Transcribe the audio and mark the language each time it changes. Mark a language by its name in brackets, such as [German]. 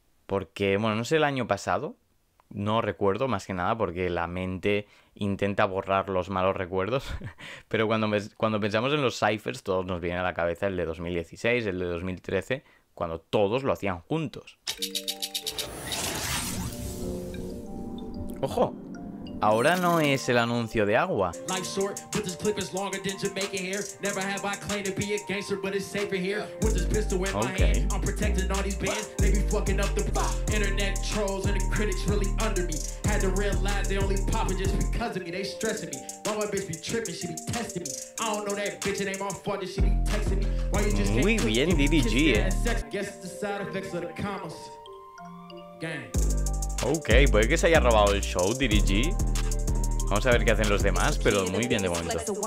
[Spanish] Porque, bueno, no sé el año pasado. No recuerdo más que nada porque la mente intenta borrar los malos recuerdos. Pero cuando pensamos en los cyphers, todos nos viene a la cabeza el de 2016, el de 2013, cuando todos lo hacían juntos. Ojo, ahora no es el anuncio de agua. [English] Life short, but this clip is longer than Jamaican hair. Never have I claimed to be a gangster, but it's safer here. With this pistol in my hand, I'm protecting all these bands. They be fucking up the internet trolls and the critics really under me. Had to realize they only popping just because of me. They stressing me. Why my bitch be tripping? She be testing me. I don't know that bitch. It ain't my fault that she be texting me. Why you just can't [Spanish] Muy bien, DDG, [English] sex? Guess it's the side effects of the commas. Gang. [Spanish] Ok, puede que se haya robado el show, Dirigí. Vamos a ver qué hacen los demás, pero muy bien de momento.